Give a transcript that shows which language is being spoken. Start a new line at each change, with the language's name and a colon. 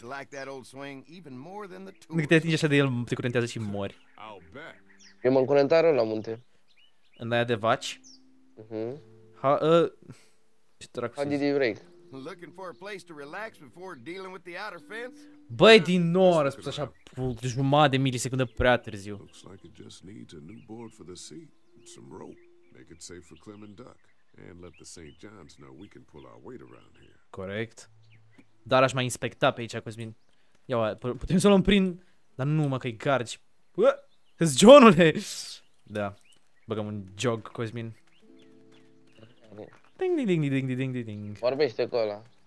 Romanian: Dacă te atingi așa de el, te curentează și mori. Eu mă încurentat rău la munte. În aia de vaci? Mhm. Ce dracu să
English: looking for a place to relax before dealing with the outer fence?
Romanian: Băi, din nou a răspuns așa jumătate de milisecundă prea târziu.
English: Looks like it just needs a new board for the seat, some rope, make it safe for Clem and Duck, and let the St. John's know we can pull our weight around here.
Romanian: Corect. Dar aș mai inspecta pe aici, Cosmin. Ia, putem să luăm prin... dar nu, mă, că-i gargi. Ăăăă, John-ule! Da, băgăm un jog, Cosmin. Ding ding ding ding ding ding ding. Vorbește cu ăla.